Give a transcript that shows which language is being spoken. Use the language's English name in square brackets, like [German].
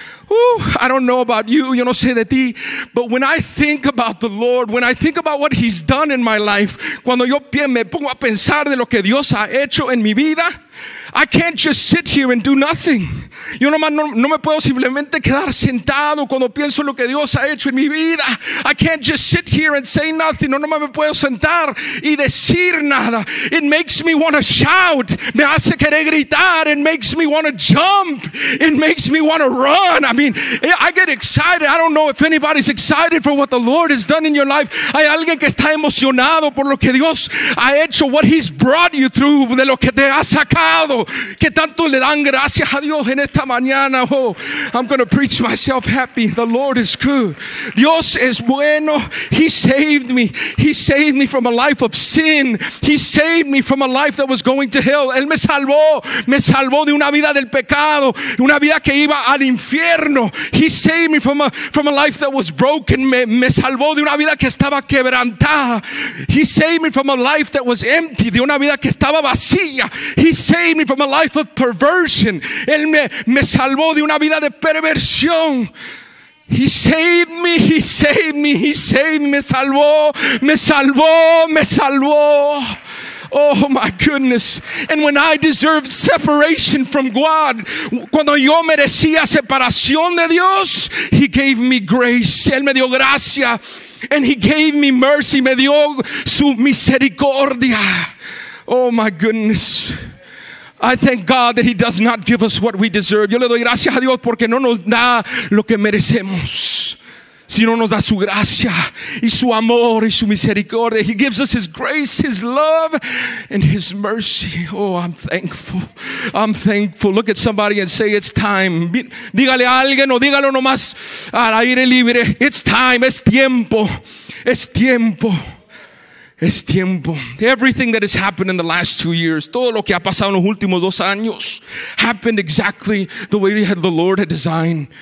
[English] I don't know about you, [Spanish] yo no sé de ti, [English] but when I think about the Lord, when I think about what he's done in my life, [Spanish] cuando yo me pongo a pensar de lo que Dios ha hecho en mi vida, [English] I can't just sit here and do nothing. [Spanish] Yo nomás no me puedo simplemente quedar sentado cuando pienso lo que Dios ha hecho en mi vida. [English] I can't just sit here and say nothing. [Spanish] No nomás me puedo sentar y decir nada. [English] It makes me want to shout. [Spanish] Me hace querer gritar. [English] It makes me want to jump. It makes me want to run. I mean, I get excited. I don't know if anybody's excited for what the Lord has done in your life. [Spanish] Hay alguien que está emocionado por lo que Dios ha hecho, [English] what he's brought you through, [Spanish] de lo que te ha sacado. Que tanto le dan gracias a Dios en esta mañana. [English] Oh, I'm going to preach myself happy. The Lord is good. [Spanish] Dios es bueno. [English] He saved me. He saved me from a life of sin. He saved me from a life that was going to hell. [Spanish] Él me salvó. Me salvó de una vida del pecado, una vida que iba al infierno. [English] He saved me from a life that was broken. [Spanish] Me salvó de una vida que estaba quebrantada. [English] He saved me from a life that was empty, [Spanish] de una vida que estaba vacía. [English] He saved me from a life of perversion. [Spanish] Él me salvó de una vida de perversión. [English] He saved me, he saved me, he saved me. [Spanish] Me salvó, me salvó, me salvó. [English] Oh my goodness. And when I deserved separation from God, [Spanish] cuando yo merecía separación de Dios, [English] he gave me grace. [Spanish] Él me dio gracia. [English] And he gave me mercy. [Spanish] Me dio su misericordia. [English] Oh my goodness. I thank God that he does not give us what we deserve. [Spanish] Yo le doy gracias a Dios porque no nos da lo que merecemos, sino nos da su gracia y su amor y su misericordia. [English] He gives us his grace, his love, and his mercy. Oh, I'm thankful. I'm thankful. Look at somebody and say, it's time. [Spanish] Dígale a alguien o dígalo nomás al aire libre. [English] It's time. [Spanish] Es tiempo. Es tiempo. Es tiempo. [English] Everything that has happened in the last 2 years, [Spanish] todo lo que ha pasado en los últimos dos años, [English] happened exactly the way the Lord had designed.